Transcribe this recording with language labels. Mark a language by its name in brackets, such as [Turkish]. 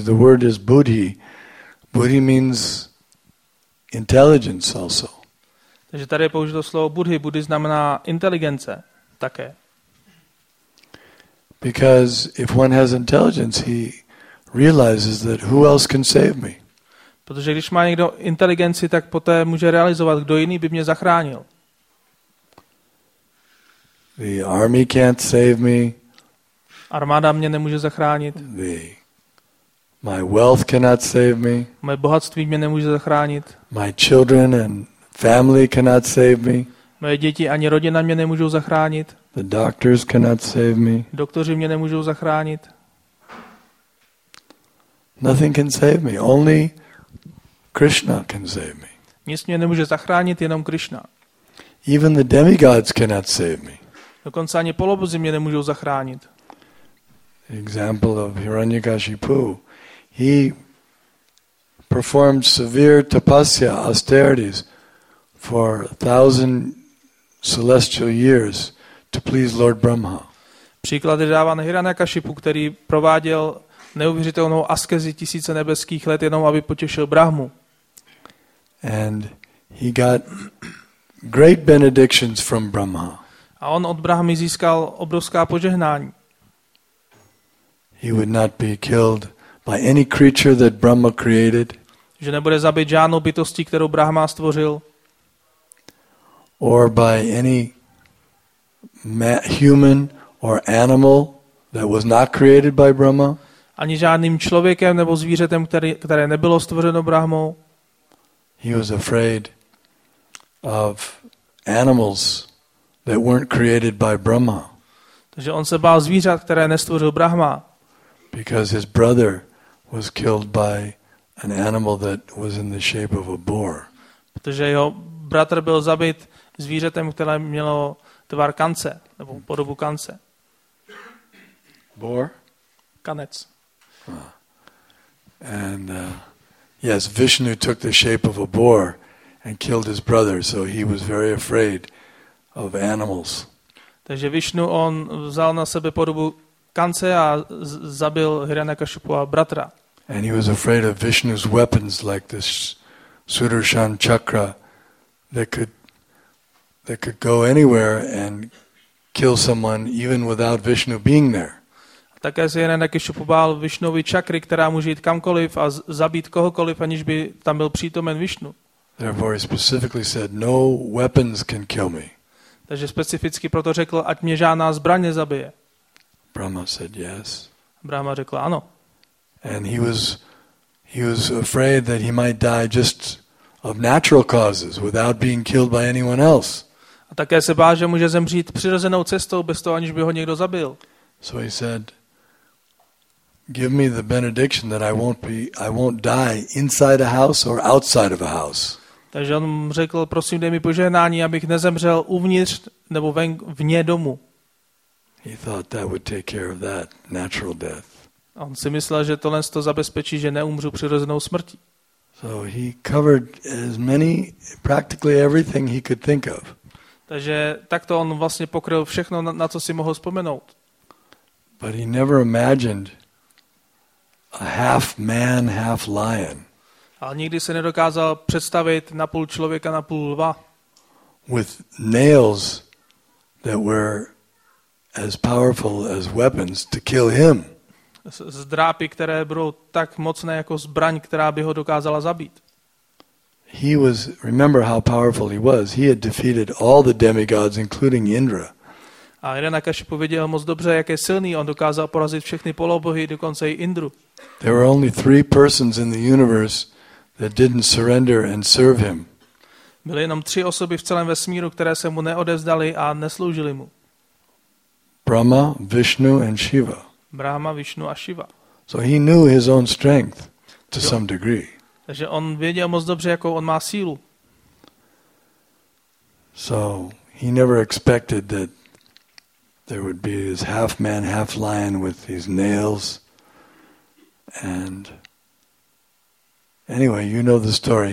[English] The word is buddhi. Buddhi means intelligence also. [Czech] Takže tady je použito slovo buddhi. Buddhi znamená inteligence také. [English] Because if one has intelligence, he realizes that who else can save me? [Czech] Protože když má někdo inteligenci, tak poté může realizovat, kdo jiný by mě zachránil. [English] The army can't save me. [Czech] Armáda mě nemůže zachránit. [English] My wealth cannot save me. [Czech] Moje bohatství mě nemůže zachránit. [English] My children and family cannot save me. [Czech] Moje děti ani rodina mě nemůžou zachránit. [English] The doctors cannot save me. [Czech] Doktoři mě nemůžou zachránit. [English] Nothing can save me. Only Krishna can save me. [Czech] Nic mě nemůže zachránit, jenom Krishna. [English] Even the demigods cannot save me. [Czech] Dokonce ani polobozy mě nemůžou zachránit. [English] Example of Hiranyakashipu. He performed severe tapasya, austerities, for 1,000 celestial years to please Lord Brahma. [Czech] Příklad je dáván Hiranyakashipu, který prováděl neuvěřitelnou askezi tisíce nebeských let jenom, aby potěšil Brahmu. [English] And he got great benedictions from Brahma. [Czech] A on od Brahmy získal obrovská požehnání. [English] He would not be killed by any creature that Brahma created. [Czech] Že nebude zabit žádnou bytostí, kterou Brahma stvořil. [English] Or by any human or animal that was not created by Brahma. [Czech] Ani žádným člověkem nebo zvířetem, které nebylo stvořeno Brahmou. [English] He was afraid of animals that weren't created by Brahma. [Czech] Takže on se bál zvířat, které nestvořil Brahma. [English] Because his brother was killed by an animal that was in the shape of a boar. [Czech] Protože jeho bratr byl zabit zvířetem, které mělo tvar kance nebo podobu kance. [English] Boar? [Czech] Kanec. [English] And yes, Vishnu took the shape of a boar and killed his brother, so he was very afraid of animals. [Czech] Takže Vishnu on vzal na sebe podobu kance a zabil Hiranyakashipu a bratra. [English] And he was afraid of Vishnu's weapons like this Sudarshan chakra that could go anywhere and kill someone even without Vishnu being there. [Czech] Také se Hiranyakashipu bál Vishnovy čakry, která může jít kamkoliv a zabít kohokoliv, aniž by tam byl přítomen Vishnu. [English] Therefore he specifically said no weapons can kill me. [Czech] Takže specificky proto řekl, ať mě žádná zbraň nezabije. [English] Brahma said yes. [Czech] Brahma řekl ano. [English] And he was afraid that he might die just of natural causes without being killed by anyone else. [Czech] A také se bál, že může zemřít přirozenou cestou bez toho, aniž by ho někdo zabil. [English] So he said, give me the benediction that I won't die inside a house or outside of a house. [Czech] Takže on řekl, prosím, dej mi požehnání, abych nezemřel uvnitř nebo vně domu. [English] He thought that would take care of that natural death. [Czech] On si myslel, že tohle to zabezpečí, že neumřu přirozenou smrtí. [English] So he covered as many practically everything he could think of. [Czech] Takže takto on vlastně pokryl všechno, na co si mohl vzpomenout. [English] But he never imagined a half man, half lion. [Czech] Ale nikdy se nedokázal představit na půl člověka, na půl lva. [English] With nails that were as powerful as weapons to kill him. [Czech] z drápy, které budou tak mocné jako zbraň, která by ho dokázala zabít. [English] He was, remember how powerful he was. He had defeated all the demigods, including Indra. [Czech] A Hiranyakashipu pověděl moc dobře, jak je silný. On dokázal porazit všechny polobohy, dokonce i Indru. [English] There were only three persons in the universe that didn't surrender and serve him. [Czech] Byly jenom tři osoby v celém vesmíru, které se mu neodevzdali a nesloužili mu. [English] Brahma, Vishnu and Shiva. [Czech] Brahma, Vishnu a Shiva. [English] So he knew his own strength to some degree. [Czech] Takže on věděl moc dobře, jakou on má sílu. [English] So he never expected that there would be this half man, half lion with these nails. And anyway, you know the story.